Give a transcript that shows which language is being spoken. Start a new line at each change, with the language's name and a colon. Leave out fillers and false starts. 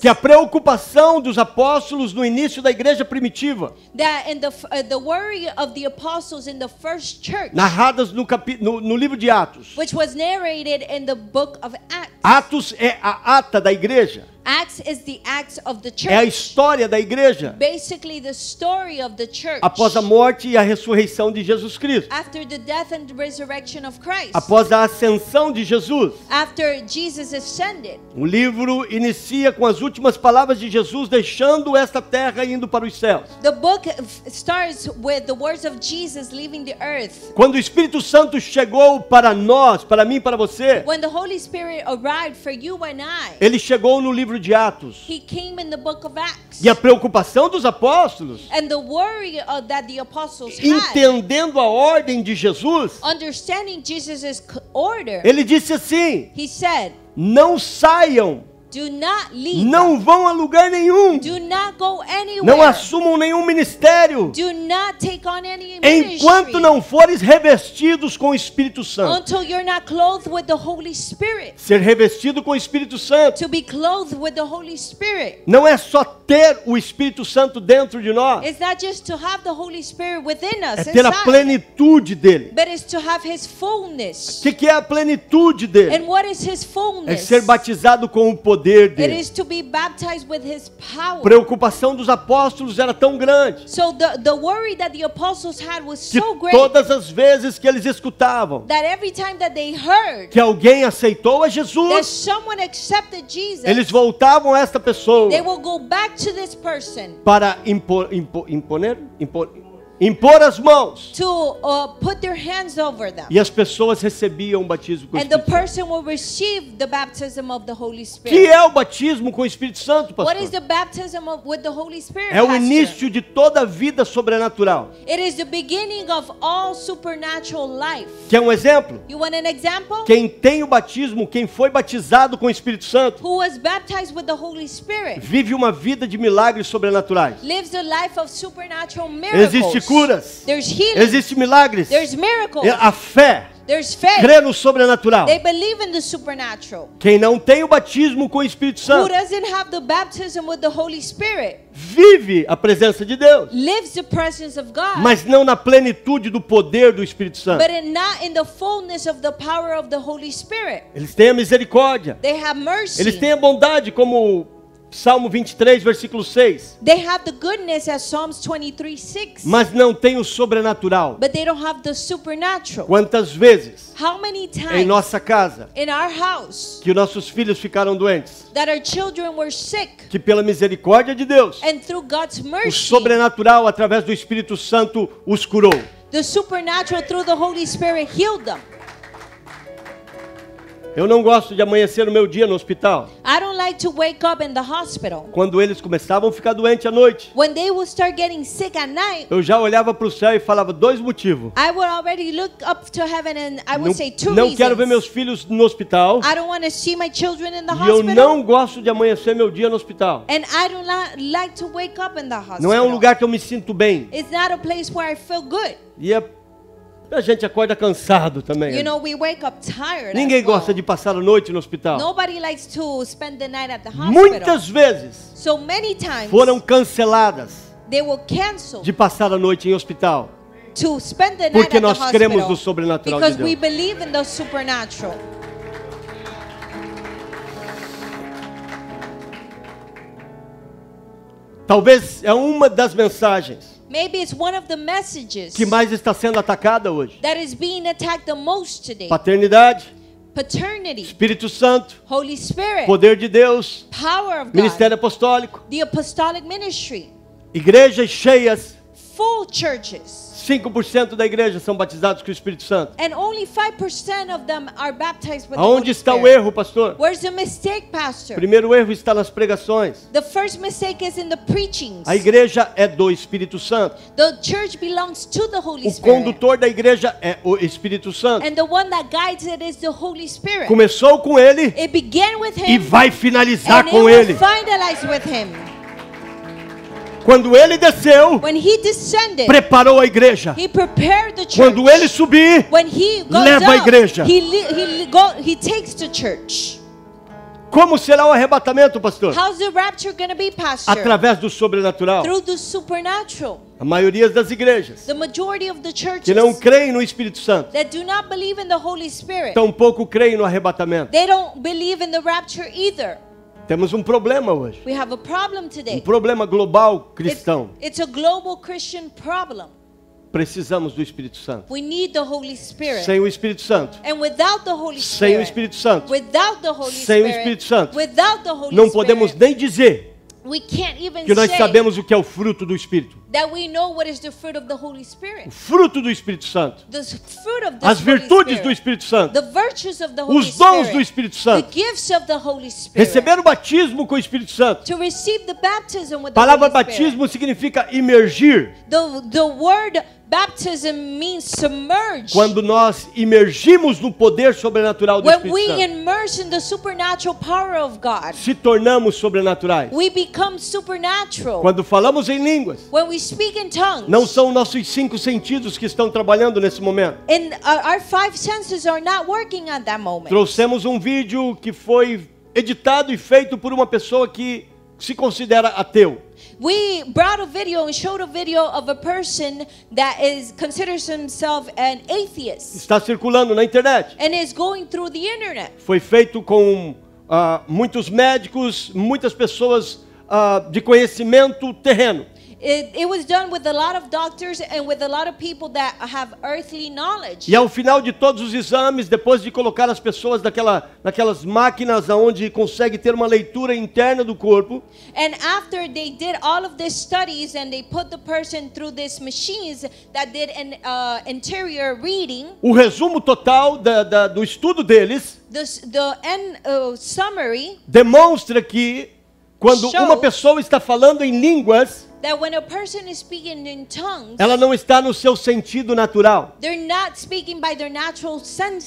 Portuguese: que a preocupação dos apóstolos no início da igreja primitiva,
English: that in the worry of the apostles in the first church,
Portuguese: narradas no livro de Atos,
English: which was narrated in the book of Acts.
Portuguese: Atos é a ata da igreja.
English: Acts is the acts of the church.
Portuguese: É a história da igreja.
English: Basically the story of the church.
Portuguese: Após a morte e a ressurreição de Jesus Cristo.
English: After the death and resurrection of Christ.
Portuguese: Após a ascensão de Jesus.
English: After Jesus ascended.
Portuguese: O livro inicia com as últimas palavras de Jesus deixando esta terra e indo para os céus.
English: The book starts with the words of Jesus leaving the earth.
Portuguese: Quando o Espírito Santo chegou para nós, para mim, para você.
English: When the Holy Spirit arrived for you and I.
Portuguese: Ele chegou no livro de Atos.
English: He came in the book of Acts.
Portuguese: E a preocupação dos apóstolos.
English: And the worry of, that the apostles had.
Portuguese: Entendendo a ordem de Jesus.
English: Understanding Jesus's order.
Portuguese: Ele disse assim.
English: He said.
Portuguese: Não saiam.
English: Do not leave.
Portuguese: Não vão a lugar nenhum.
English: Do not go anywhere.
Portuguese: Não assumam nenhum ministério.
English: Do not take on any ministry.
Portuguese: Enquanto não fores revestidos com o Espírito Santo.
English: Until you're not clothed with the Holy Spirit.
Portuguese: Ser revestido com o Espírito Santo.
English: To be clothed with the Holy Spirit.
Portuguese: Não é só ter o Espírito Santo dentro de nós.
English: It's not just to have the Holy Spirit within us.
Portuguese: É ter
English: inside.
Portuguese: A plenitude dele.
English: But it's to have his fullness.
Portuguese: O que é a plenitude dele?
English: And what is his fullness?
Portuguese: É ser batizado com o poder. poder dele.
English: It is to be baptized with his power.
Portuguese: Preocupação dos apóstolos era tão grande.
English: So the worry that the apostles had was so great.
Portuguese: Todas as vezes que eles escutavam.
English: That every time that they heard.
Portuguese: Que alguém aceitou a Jesus.
English: That someone accepted Jesus.
Portuguese: Eles voltavam a esta pessoa.
English: They will go back to this person.
Portuguese: Para impor as mãos.
English: To put their hands over them.
Portuguese: E as pessoas recebiam o batismo com o Espírito
English: Santo. And the person will receive the baptism of the Holy Spirit.
Portuguese: Que é o batismo com o Espírito Santo, pastor?
English: What is the baptism with the Holy Spirit,
Portuguese: pastor? É o início de toda a vida sobrenatural.
English: It is the beginning of all supernatural life.
Portuguese: Quer um exemplo?
English: You want an example?
Portuguese: Quem tem o batismo, quem foi batizado com o Espírito Santo,
English: who was baptized with the Holy Spirit,
Portuguese: vive uma vida de milagres sobrenaturais.
English: Lives a life of supernatural miracles.
Portuguese: Existe curas.
English: There's healing.
Portuguese: Existem milagres.
English: There's miracles.
Portuguese: A fé.
English: There's faith.
Portuguese: Crê no sobrenatural.
English: They believe in the supernatural.
Portuguese: Quem não tem o batismo com o Espírito Santo,
English: who doesn't have the baptism with the Holy Spirit,
Portuguese: vive a presença de Deus.
English: Lives the presence of God.
Portuguese: Mas não na plenitude do poder do Espírito Santo.
English: But not in the fullness of the power of the Holy Spirit.
Portuguese: Eles têm a misericórdia.
English: They have mercy.
Portuguese: Eles têm a bondade como Salmo 23, versículo 6.
English: They have the goodness as Psalms 23, 6.
Portuguese: Mas não tem o sobrenatural.
English: But they don't have the supernatural.
Portuguese: Quantas vezes?
English: How many times?
Portuguese: Em nossa casa.
English: In our house.
Portuguese: Que nossos filhos ficaram doentes.
English: That our children were sick.
Portuguese: Que pela misericórdia de Deus.
English: And through God's mercy.
Portuguese: O sobrenatural através do Espírito Santo os curou.
English: The supernatural through the Holy Spirit healed them.
Portuguese: Eu não gosto de amanhecer o meu dia no hospital.
English: I don't like to wake up in the hospital.
Portuguese: Quando eles começavam a ficar doentes à noite.
English: When they would start getting sick at night.
Portuguese: Eu já olhava para o céu e falava dois motivos.
English: I would already look up to heaven and I would say two reasons.
Portuguese: Não quero ver meus filhos no hospital.
English: I don't want to see my children in the
Portuguese: hospital. E eu não gosto de amanhecer meu dia no hospital.
English: And I don't like to wake up in the hospital.
Portuguese: Não é um lugar que eu me sinto bem.
English: It's not a place where I feel good.
Portuguese: A gente acorda cansado também.
English: You know, we wake up tired.
Portuguese: Ninguém gosta
English: well.
Portuguese: De passar a noite no hospital.
English: Nobody likes to spend the night at the hospital.
Portuguese: Muitas vezes.
English: So many times.
Portuguese: Foram canceladas.
English: They were canceled.
Portuguese: De passar a noite em hospital.
English: To spend the night.
Portuguese: Porque
English: at
Portuguese: nós
English: the
Portuguese: cremos
English: hospital,
Portuguese: no sobrenatural.
English: Because
Portuguese: de Deus.
English: We believe in the supernatural.
Portuguese: Talvez é uma das mensagens.
English: Maybe it's one of the messages
Portuguese: que mais está sendo atacada hoje.
English: That is being attacked the most today.
Portuguese: Paternidade.
English: Paternity.
Portuguese: Espírito Santo.
English: Holy Spirit.
Portuguese: Poder de Deus.
English: Power of God.
Portuguese: Ministério apostólico.
English: The apostolic ministry.
Portuguese: Igrejas cheias.
English: Full churches.
Portuguese: 5% da igreja são batizados com o Espírito Santo.
English: And only 5% of them are baptized with the Holy
Portuguese: Aonde está o erro, pastor?
English: Where's the mistake, pastor?
Portuguese: Primeiro erro está nas pregações.
English: The first mistake is in the preachings.
Portuguese: A igreja é do Espírito Santo.
English: The church belongs to the Holy Spirit.
Portuguese: O condutor da igreja é o Espírito Santo.
English: And the one that guides it is the Holy Spirit.
Portuguese: Começou com ele.
English: It began with him.
Portuguese: E vai finalizar com ele.
English: And it will finalize with him.
Portuguese: Quando ele desceu,
English: when he descended,
Portuguese: preparou a igreja.
English: He prepared the church.
Portuguese: Quando ele subir,
English: when he goes
Portuguese: leva
English: up,
Portuguese: a igreja.
English: He takes the church.
Portuguese: Como será o arrebatamento, pastor?
English: How's the rapture gonna be, pastor?
Portuguese: Através do sobrenatural.
English: Through the supernatural.
Portuguese: A maioria das igrejas,
English: the majority of the churches,
Portuguese: que não creem no Espírito Santo,
English: that do not believe in the Holy Spirit,
Portuguese: tampouco creem no arrebatamento.
English: They don't believe in the rapture either.
Portuguese: Temos um problema hoje.
English: We have a problem today.
Portuguese: Um problema global cristão.
English: It's a global Christian problem.
Portuguese: Precisamos do Espírito Santo.
English: We need the Holy Spirit.
Portuguese: Sem o Espírito Santo.
English: And without the Holy Spirit.
Portuguese: Sem o Espírito Santo.
English: Without the Holy Spirit.
Portuguese: Sem o Espírito Santo.
English: Without the Holy Spirit.
Portuguese: Não podemos nem dizer.
English: We can't even
Portuguese: que nós sabemos o que é o fruto do Espírito.
English: That we know what is the fruit of the Holy Spirit.
Portuguese: O fruto do Espírito Santo.
English: The fruit of the
Portuguese: As virtudes do Espírito Santo.
English: The virtues of the Holy
Portuguese: Os dons
English: Spirit.
Portuguese: Do Espírito Santo.
English: The gifts of the Holy Spirit.
Portuguese: Receber o batismo com o Espírito Santo.
English: To receive the baptism with the
Portuguese: palavra
English: Holy Spirit.
Portuguese: Batismo significa imergir.
English: The word baptism means submerge.
Portuguese: Quando nós imergimos no poder sobrenatural do
English: when
Portuguese: Espírito
English: we
Portuguese: Santo.
English: Immerse in the supernatural power of God.
Portuguese: Se tornamos sobrenaturais.
English: We become supernatural.
Portuguese: Quando falamos em línguas.
English: When we speak in tongues.
Portuguese: Não são nossos cinco sentidos que estão trabalhando nesse momento.
English: And our five senses are not working at that moment.
Portuguese: Trouxemos um vídeo que foi editado e feito por uma pessoa que se considera ateu.
English: We brought a video and showed a video of a person that is considers himself an atheist.
Portuguese: Está circulando na internet.
English: And is going through the internet.
Portuguese: Foi feito com muitos médicos, muitas pessoas de conhecimento terreno.
English: It was done with a lot of doctors and with a lot of people that have earthly knowledge.
Portuguese: E ao final de todos os exames, depois de colocar as pessoas naquelas máquinas aonde consegue ter uma leitura interna do corpo.
English: And after they did all of these studies and they put the person through these machines that did an interior reading.
Portuguese: O resumo total do estudo deles.
English: The summary.
Portuguese: Demonstra que quando uma pessoa está falando em línguas.
English: That when a person is speaking in tongues,
Portuguese: ela não está no seu sentido natural.
English: They're not speaking by their natural senses.